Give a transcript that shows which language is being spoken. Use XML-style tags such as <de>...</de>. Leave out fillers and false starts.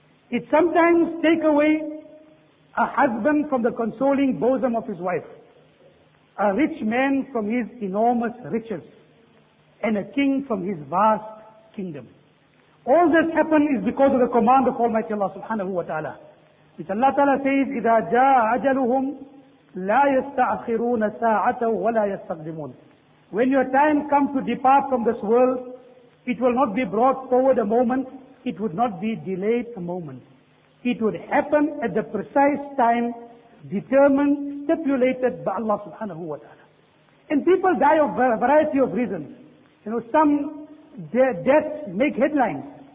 <en>It sometimes takes away a husband from the consoling bosom of his wife. A rich man from his enormous riches. And a king from his vast kingdom. All this happened is because of the command of Almighty Allah subhanahu wa ta'ala. Which Allah ta'ala says,</en> <ar>إِذَا جَاءَ أَجَلُهُمْ لَا يَسْتَأْخِرُونَ سَاعَةً وَلَا يَسْتَقْدِمُونَ.</ar> <en>When your time comes to depart from this world, it will not be brought forward a moment, it would not be delayed a moment. It would happen at the precise time, determined, stipulated by Allah subhanahu wa ta'ala. And people die of a variety of reasons. You know, some deaths make headlines.</en>